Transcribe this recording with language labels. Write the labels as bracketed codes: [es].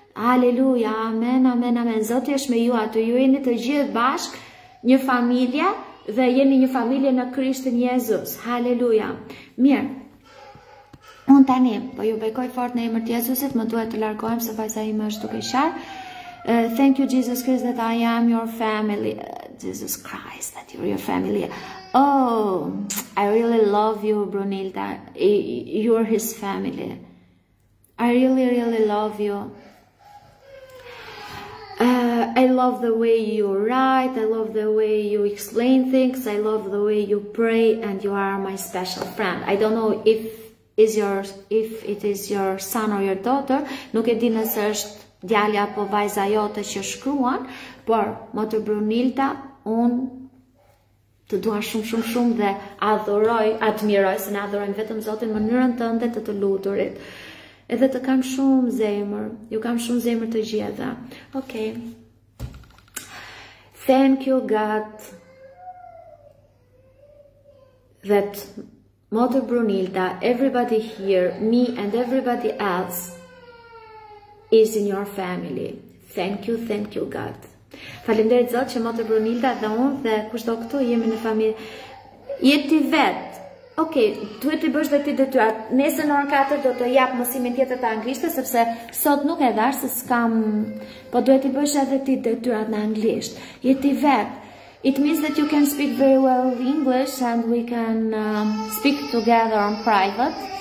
[sq] Aleluja, amen, amen, amen. Zoti është me ju aty. Ju jeni të gjithë bashkë një familje dhe jeni një familje në Krishtin Jezus. Aleluja. Mirë. Unë tani, po ju bekoj fort në emër të Jezusit, më duhet të largohem se vajza ime është duke qarë. [en] Thank you Jesus Christ that I am your family. Jesus Christ that you're your family. Oh, I really love you, Brunilda. You're his family. I really, really love you. I love the way you write. I love the way you explain things. I love the way you pray, and you are my special friend. I don't know if it is your son or your daughter. [sq] Nuk e di nëse është djali apo vajza jote që shkruan, por motër Brunilda, unë të dua shumë dhe admiroj se na adhurojnë vetëm Zotin mënyrën tënde të luturit. Edhe të kam shumë zemër, ju kam shumë zemër të gjitha. [en] Okay. Thank you God that motër Brunilda, everybody here, me and everybody else is in your family. Thank you God. [sq] Faleminderit Zot që motër Brunilda dhe unë dhe kushdo këtu jemi në familje. Jeti vet. Okej, duhet të bësh vetë detyrat. Nesër në orën 4 do të jap mësimin tjetër të anglishtes sepse sot nuk e dash se s'kam, po duhet të bësh edhe ti detyrat në anglisht. Jeti vet. [en] It means that you can speak very well English and we can speak together on private.